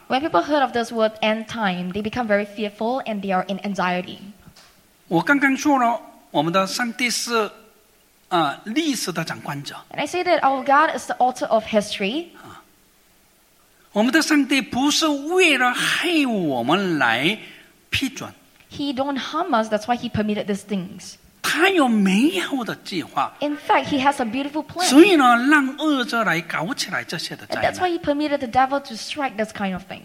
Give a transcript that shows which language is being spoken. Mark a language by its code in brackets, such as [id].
[en] When people heard of this word end time, they become very fearful and they are in anxiety. [zh] 我刚刚说了，我们的上帝是。历史的掌管者 [en] And I say that our God is the author of history [zh] 我们的上帝不是为了害我们来批准 [en] He don't harm us, that's why he permitted these things [zh] 他有美好的计划 [en] In fact, he has a beautiful plan [zh] 所以呢让恶者来搞起来这些的灾难 [en] That's why he permitted the devil to strike this kind of things